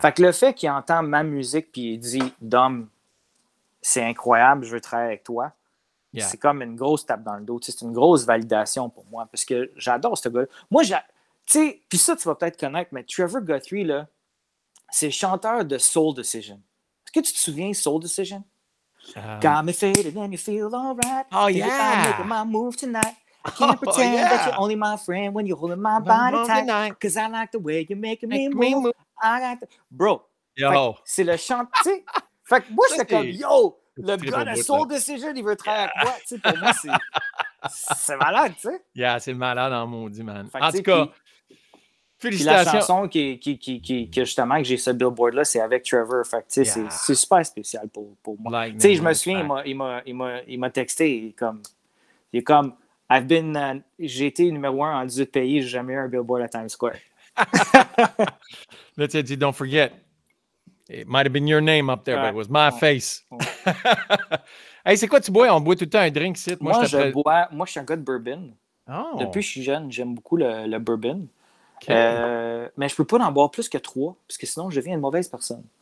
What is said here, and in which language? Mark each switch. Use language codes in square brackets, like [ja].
[fr] Fait que le fait qu'il entend ma musique puis il dit, Dom, c'est incroyable, je veux travailler avec toi. Yeah. C'est comme une grosse tape dans le dos. T'sais, c'est une grosse validation pour moi parce que j'adore ce gars-là. Moi, tu sais, puis ça, tu vas peut-être connaître, mais Trevor Guthrie, là, c'est le chanteur de Soul Decision. Est-ce que tu te souviens de Soul Decision? [en] Got me faded and you feel alright. Oh, yeah! I'm making my move tonight. I can't pretend that you're only my friend when you're holding my body tight. Because I like the way you're making me move. I got the... Bro, yo. [fr] C'est le chanteur. Fait que moi, j'étais comme, yo, le gars de Soul Decision, il veut travailler avec moi. Tu sais, pour moi, c'est malade, tu sais. Yeah, c'est malade en maudit, man. En tout cas... Puis la chanson qui justement que j'ai ce billboard là, c'est avec Trevor. Fait que, c'est super spécial pour moi. Tu sais, je me souviens, il m'a texté il est comme [en] I've been [fr] j'ai été numéro 1 en 18 pays, j'ai jamais eu un billboard à Times Square. Là, tu as dit [en] don't forget. It might have been your name up there, but it was my face. [fr] Hey, c'est quoi tu bois? On boit tout le temps un drink, c'est moi. Moi, je suis un gars de bourbon. Depuis que je suis jeune, j'aime beaucoup le bourbon. Okay. Mais je peux pas en boire plus que trois, parce que sinon je deviens une mauvaise personne.